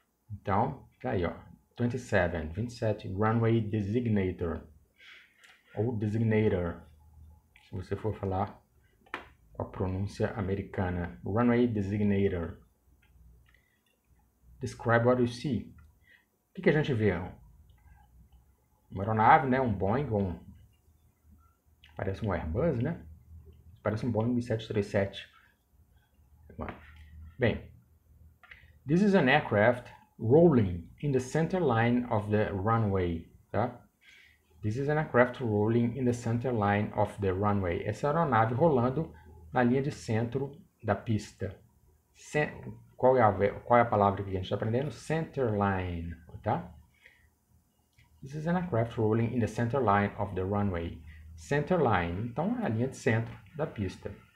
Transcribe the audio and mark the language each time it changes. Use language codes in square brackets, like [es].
[pt] Então, tá aí, ó. 27, runway designator ou designator, se você for falar com a pronúncia americana, runway designator. [en] Describe what you see. [pt] O que a gente vê? Uma aeronave, né? Um Boeing, parece um Airbus, né? Parece um Boeing 737. [en] Bem, this is an aircraft rolling in the center line of the runway, tá? This is an aircraft rolling in the center line of the runway. [pt] Essa é a aeronave rolando na linha de centro da pista. Qual é a palavra que a gente está aprendendo? [en] Center line, tá? This is an aircraft rolling in the center line of the runway. [pt] Center line, então é a linha de centro da pista.